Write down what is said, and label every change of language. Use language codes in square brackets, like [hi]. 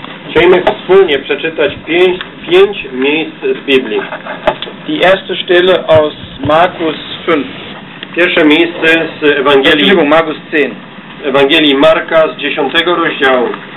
[pl] Chcemy wspólnie przeczytać pięć miejsc z Biblii. [de] Die erste Stelle aus Markus 5. [pl] Pierwsze miejsce z Ewangelii. Przeczytaj Markus 10. Ewangelii Marka z 10 rozdziału.